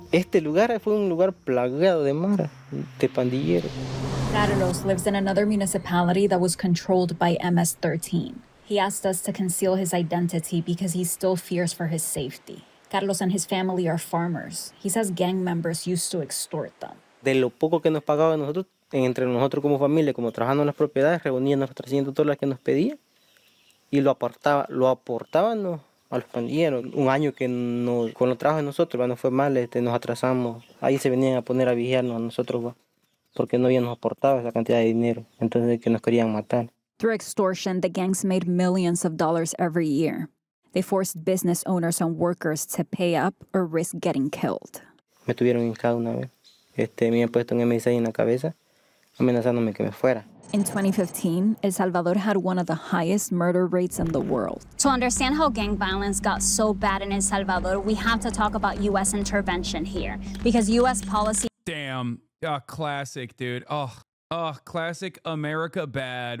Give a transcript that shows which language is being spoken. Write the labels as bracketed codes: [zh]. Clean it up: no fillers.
[es] Este lugar fue un lugar plagado de mara, de pandilleros. [en] Carlos lives in another municipality that was controlled by MS-13. He asked us to conceal his identity because he still fears for his safety. Carlos and his family are farmers. He says gang members used to extort them. [es] De lo poco que nos pagaban nosotros, entre nosotros como familia, como trabajando en las propiedades, reuníamos los 300 dólares que nos pedían. Y lo aportaban ¿no? a los pandilleros. Un año que no, con los trabajos de nosotros, bueno, fue mal, nos atrasamos. Ahí se venían a poner a vigilarnos a nosotros, ¿no? porque no habían aportado esa cantidad de dinero. Entonces, que nos querían matar. [en] Through extortion, the gangs made millions of dollars every year. They forced business owners and workers to pay up or risk getting killed. [es] Me tuvieron hincado una vez. Me han puesto un M6 en la cabeza, amenazándome que me fuera. [en] In 2015, El Salvador had one of the highest murder rates in the world. To understand how gang violence got so bad in El Salvador, we have to talk about U.S. intervention here. Because U.S. policy... Damn. Classic, dude. Classic America bad.